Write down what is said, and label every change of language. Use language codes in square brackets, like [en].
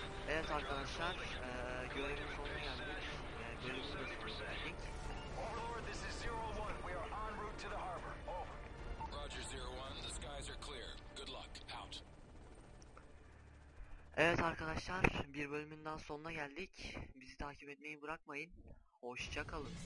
[tr] Evet arkadaşlar, görevin sonuna geldik. Görevimizi de sonuna geldik. [en] Overlord, this is 01. We are en route to the harbor. Over. Roger 01, the skies are clear. Good luck. Out. [tr] Evet arkadaşlar, bir bölümün daha sonuna geldik. Bizi takip etmeyi bırakmayın. Hoşça kalın.